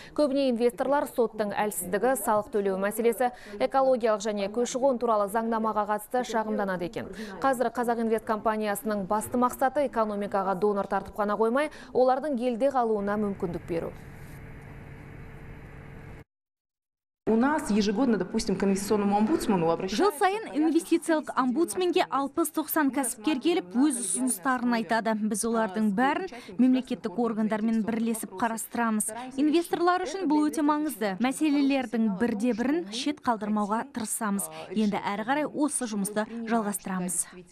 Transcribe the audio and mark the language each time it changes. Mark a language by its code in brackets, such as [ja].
[kk] Көбіне инвесторлар соттың әлсіздігі, салық төлеу мәселесі, экологиялық және көші-қон туралы заңнамаға қатысты шағымданады екен. Қазір Қазақ инвест компаниясының басты мақсаты экономикаға донор тартып қана қоймай, олардың елде қалуына мүмкіндік беру. [ru] У нас ежегодно, допустим, к инвестиционному омбудсмену обращаются. [kk] Жыл сайын инвестициялық омбудсменге 60-90 кәсіпкер келіп, өз ұсыныстарын айтады. Біз олардың бәрін мемлекеттік органдармен бірлесіп қарастырамыз. Инвесторлар үшін бұл өте маңызды. Мәселелердің бірде-бірін шет қалдырмауға тырысамыз. Енді әрі қарай осы жұмысты жалғастырамыз.